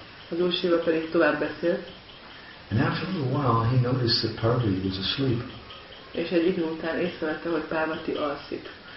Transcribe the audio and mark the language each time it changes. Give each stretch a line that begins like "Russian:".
Hungarian: Az Úr Shiva pedig tovább beszélt.
English: And after a little while, he noticed that Parvati was asleep.
Hungarian: És egy idő után észrevette, hogy Parvati alszik.